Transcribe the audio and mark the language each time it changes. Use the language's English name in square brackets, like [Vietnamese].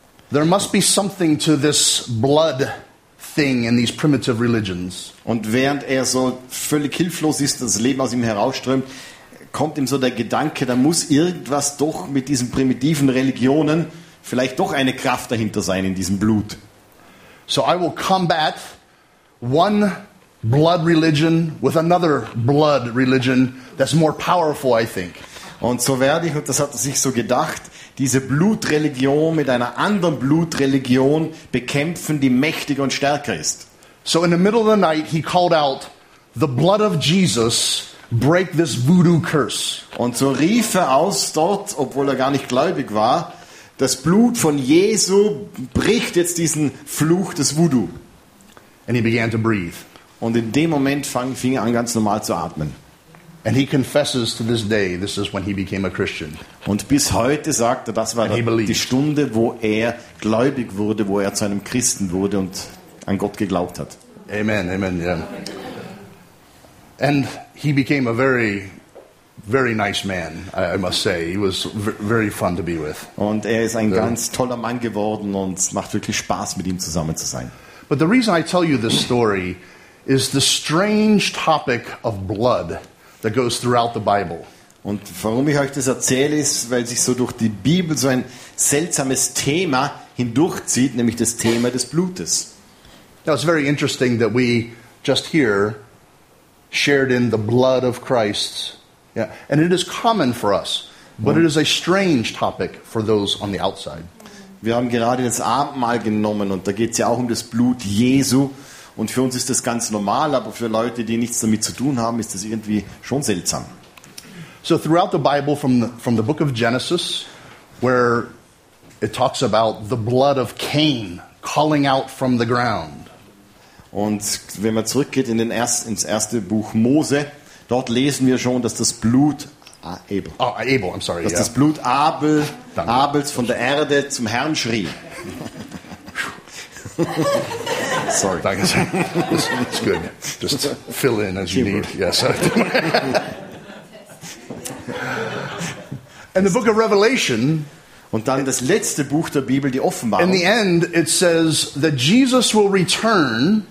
[English] There must be something to this blood thing in these primitive religions. [German] Und während er so völlig hilflos ist, das Leben aus ihm herausströmt, kommt ihm so der Gedanke, da muss irgendwas doch mit diesen primitiven Religionen vielleicht doch eine Kraft dahinter sein in diesem Blut. [English] So I will combat one blood religion with another blood religion that's more powerful, I think. [German] Und so werde ich, und das hat er sich so gedacht, diese Blutreligion mit einer anderen Blutreligion bekämpfen, die mächtiger und stärker ist. [English] So in the middle of the night he called out, the blood of Jesus break this voodoo curse. [German] Und so rief er aus dort, obwohl er gar nicht gläubig war, das Blut von Jesu bricht jetzt diesen Fluch des Voodoo. [English] And he began to breathe. [German] Und in dem Moment fing er an, ganz normal zu atmen. [English] And he confesses to this day, this is when he became a Christian. [German] Und bis heute sagt er, das war die Stunde, wo er gläubig wurde, wo er zu einem Christen wurde und an Gott geglaubt hat. Amen, amen, yeah. [English] And he became a very, very nice man, I must say. He was very fun to be with. [German] Und er ist ein ganz toller Mann geworden und es macht wirklich Spaß, mit ihm zusammen zu sein. [English] But the reason I tell you this story is the strange topic of blood that goes throughout the Bible. [German] Und warum ich euch das erzähle, ist, weil sich so durch die Bibel so ein seltsames Thema hindurchzieht, nämlich das Thema des Blutes. [English] Now it's very interesting that we just hear shared in the blood of Christ. Yeah. And it is common for us, but it is a strange topic for those on the outside. [German] Wir haben gerade das Abendmahl genommen und da geht es ja auch um das Blut Jesu. Und für uns ist das ganz normal, aber für Leute, die nichts damit zu tun haben, ist das irgendwie schon seltsam. [English] So throughout the Bible, from the book of Genesis, where it talks about the blood of Cain calling out from the ground. [German] Und wenn man zurückgeht in ins erste Buch Mose, dort lesen wir schon, dass das Blut das Blut Abels von der Erde zum Herrn schrie. [English] Sorry. [German] Danke sehr. [English] It's good. Just fill in as you need. Yes. And the book of Revelation. [German] Und dann das letzte Buch der Bibel, die Offenbarung. [English] In the end, it says that Jesus will return.